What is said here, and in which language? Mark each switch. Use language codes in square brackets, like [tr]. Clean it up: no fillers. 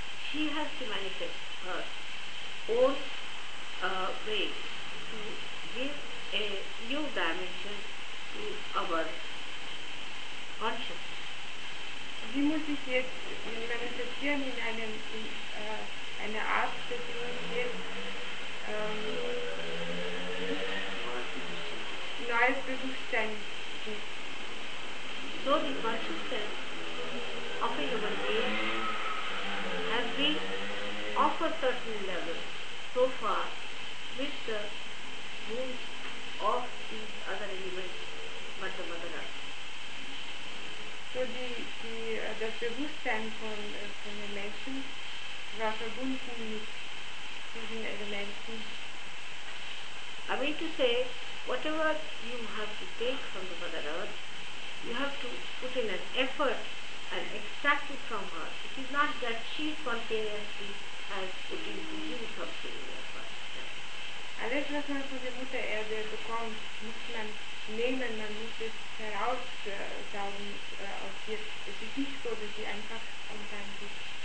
[en] She has to manifest her own way to give a new dimension to our consciousness. [de] Sie muss sich jetzt manifestieren in einem in eine Art, dass sie uns jetzt neues Bewusstsein gibt. [en] So the consciousness of a human being has been of a certain level so far with the wounds of these other elements, but the mother earth. So the [de] Bewusstsein von den Menschen war verbunden mit diesen Elementen. [en] I mean to say, whatever you have to take from the mother earth, you have to put in an effort and extract it from her. It is not that she spontaneously has put in the new something in her first step. [de] Alles, was man von der Mutter Erde bekommt, muss man nehmen, man muss es heraussaugen aus ihr. Es ist nicht so, dass sie einfach spontan gibt.